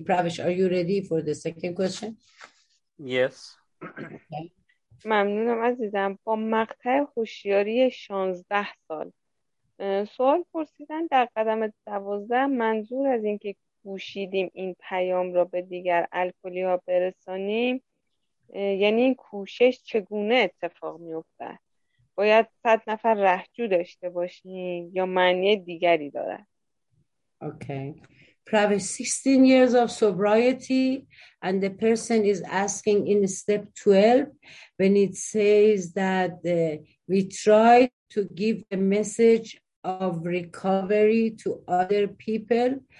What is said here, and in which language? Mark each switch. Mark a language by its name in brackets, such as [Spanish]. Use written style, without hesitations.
[English] Pravish, are you ready for the second question? Yes. [Persian] ممنونم عزیزم. با مقطع هوشیاری 16 سال سوال پرسیدن در قدم 12 منظور از این که کوشیدیم این پیام را به دیگر الکلی ها برسانیم، یعنی این کوشش چگونه اتفاق می افتد؟ باید 100 نفر رهجو داشته باشیم یا معنی دیگری دارد؟ [English] Okay. Pravesh, 16 years of sobriety, and the person is asking in step 12 when it says that we try to give the message of recovery to other people.